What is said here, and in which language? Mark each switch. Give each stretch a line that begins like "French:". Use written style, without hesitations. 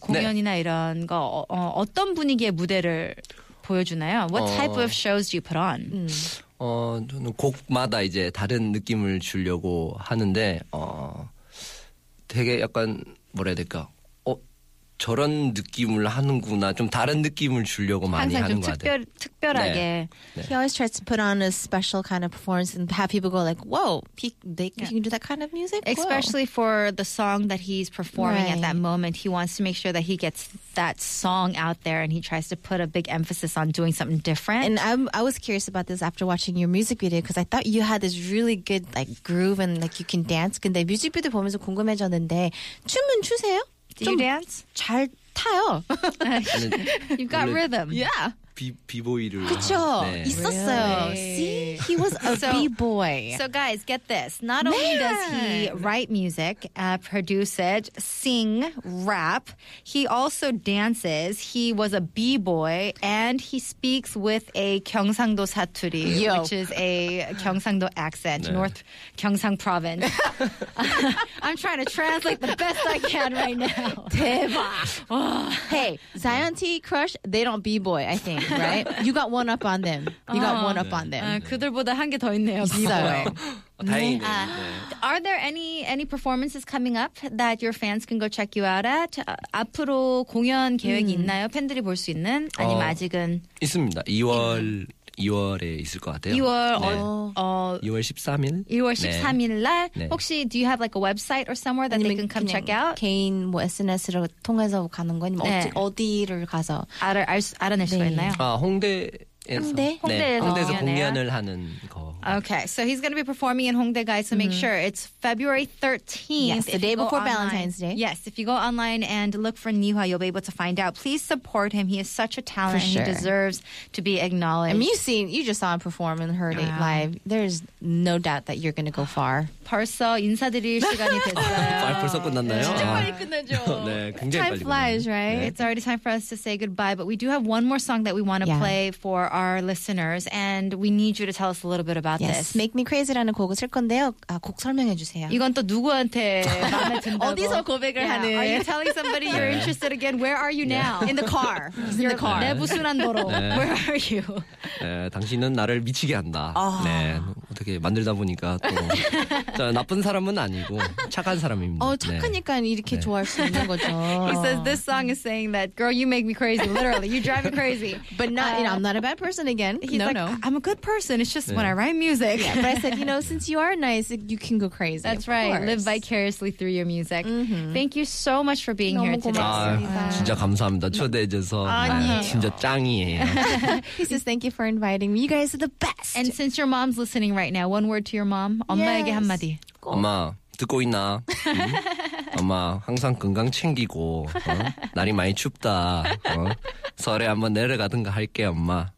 Korean: 공연이나 이런 거 어떤 분위기의 무대를 보여주나요?
English: What type of shows do you put on?
Korean: 저는 곡마다 이제 다른 느낌을 주려고 하는데 되게 약간 뭐라 해야 될까? 저런 느낌을 하는구나. 좀 다른 느낌을 주려고 많이 하는 것 같아요. 특별하게.
English: 네. He always tries to put on a special kind of performance and have people go like, whoa, they can do that kind of music? Especially for the song that he's performing at that moment. He wants to make sure that he gets that song out there and he tries to put a big emphasis on doing something different. And I was curious about this after watching your music video because I thought you had this really good like groove and like you can dance.
Korean: 근데 뮤직비디오 보면서 궁금해졌는데 춤은 추세요?
English: Do you dance?
Korean: 잘 타요.
English: You've got rhythm. Yeah.
Korean: 비보이를. 그쵸. 네. 있었어요.
English: Really? See? He was a b-boy. So guys, get this. Not only does he write music, produce it, sing, rap, he also dances. He was a b-boy and he speaks with a
Korean: 경상도 사투리,
English: which is a 경상도 accent, 네. North 경상 province. I'm trying to translate the best I can right now.
Korean: 대박.
English: Hey, Zion T, Crush, they don't b-boy, I think. Right? You got one up on them. You got one up on them.
Korean: 그들보다 한 개 더 있네요. 비싸요. 다행이네요.
English: Are there any performances coming up that your fans can go check you out at?
Korean: 앞으로 공연 계획이 있나요? 팬들이 볼 수 있는? 아니면 아직은? 있습니다. 2월에 있을 것 같아요. 2월 13일? 2월 13일 날. 네. 혹시
English: do you have like a website or somewhere that they can come check out?
Korean: 개인 뭐 SNS를 통해서 가는 거 아니면 어디를 가서 알아낼 수가 있나요? 홍대에서 공연을 하는 거.
English: Okay, so he's going to be performing in Hongdae, guys, so make sure. It's February 13th. Yes, the day before Valentine's Day. Yes, if you go online and look for NiiHWA, you'll be able to find out. Please support him. He is such a talent. For sure. And he deserves to be acknowledged. I mean, you just saw him perform and heard it live. There's no doubt that you're going to go far.
Korean: 벌써 인사드릴 시간이 됐어요. 벌써 끝났나요? 진짜 빨리 끝나죠. 네, 굉장히
English: flies,
Korean: 끝나요.
English: Right?
Korean: 네.
English: It's already time for us to say goodbye, but we do have one more song that we want to play for our listeners, and we need you to tell us a little bit about this.
Korean: Make Me Crazy라는 곡을 쓸 건데요. 곡 설명해 주세요. 이건 또 누구한테 마음에 든다고. 어디서 고백을 하는?
English: Are you telling somebody you're interested again? Where are you now? In the car. In the car. 내부순환도로. Where are you?
Korean: 당신은 나를 미치게 한다. 네. 어떻게 만들다 보니까 또 나쁜 사람은 아니고 착한 사람입니다. 어, 착하니까 네. 이렇게 네. 좋아할 수 있는 거죠.
English: He says this song is saying that girl, you make me crazy. Literally, you drive me crazy. But not, you know, I'm not a bad person again. He's no, like, no. I'm a good person. It's just 네. when I write music. Yeah, but I said, you know, since you are nice, you can go crazy. That's right. Course. Live vicariously through your music. Mm-hmm. Thank you so much for being here today.
Korean: 아, 진짜 감사합니다. 초대해 줘서 네, 진짜 짱이에요.
English: He says thank you for inviting me. You guys are the best. And since your mom's listening right now, one word to your mom.
Korean: 엄마에게
English: yes.
Korean: 한마디. 엄마 듣고 있나? 응? 엄마 항상 건강 챙기고 어? 날이 많이 춥다. 어? 설에 한번 내려가든가 할게 엄마.